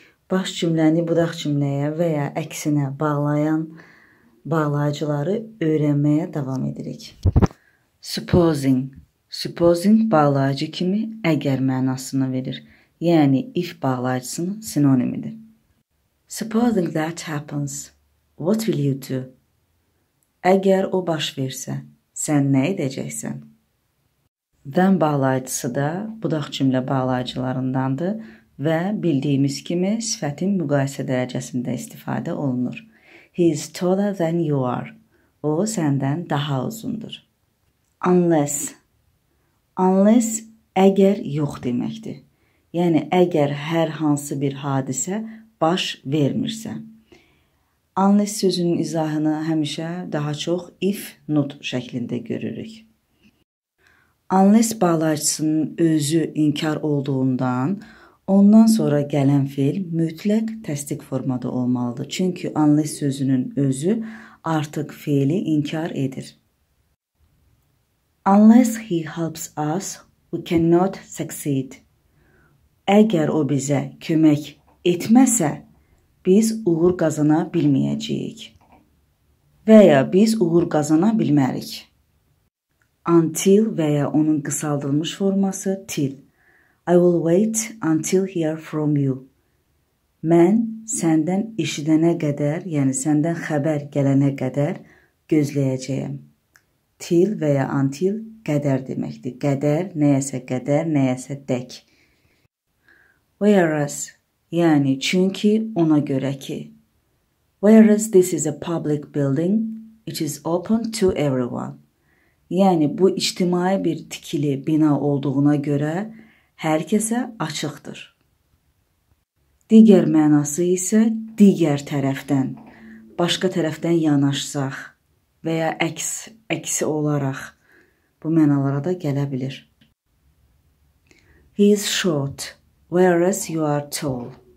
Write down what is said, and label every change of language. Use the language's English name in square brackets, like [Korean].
[Azerbaijani] baş cümləni budaq cümləyə və ya əksinə bağlayan bağlayıcıları öyrənməyə davam edirik. Supposing. Supposing bağlayıcı kimi əgər mənasını verir. Yəni, if bağlayıcısının sinonimidir. [English] Supposing that happens. What will you do? [Azerbaijani] Əgər o baş versə, sən nə edəcəksən? Then bağlayıcısı da budaq cümlə bağlayıcılarındandır və bildiyimiz kimi sifətin müqayisə dərəcəsində istifadə olunur. [English] He is taller than you are. [Azerbaijani] O, səndən daha uzundur. Unless. Unless, əgər yox deməkdir. Yəni, əgər hər hansı bir hadisə baş vermirsə. Unless sözünün izahını həmişə daha çox if, not şəklində görürük. Unless bağlayıcısının özü inkar olduğundan, ondan sonra gələn fiil mütləq təsdiq formada olmalıdır. Çünki unless sözünün özü artıq fiili inkar edir. [English] Unless he helps us, we cannot succeed. [Azerbaijani] Əgər o bizə kömək etməsə, biz uğur qazana bilməyəcəyik. Və ya biz uğur qazana bilmərik. Until və ya onun qısaldılmış forması till. [English] I will wait until hear from you. [Azerbaijani] Mən səndən eşidənə qədər, yəni səndən xəbər gələnə qədər gözləyəcəyim. Till və ya until qədər deməkdir. Qədər, nəyəsə qədər, nəyəsə dək. Whereas, yəni çünki ona görə ki. [English] Whereas this is a public building, it is open to everyone. [Azerbaijani] Yəni, bu ictimai bir tikili bina olduğuna görə hər kəsə açıqdır. Digər mənası isə digər tərəfdən, başqa tərəfdən yanaşsaq və ya əksi olaraq bu mənalara da gələ bilir. [English] He is short, whereas you are tall.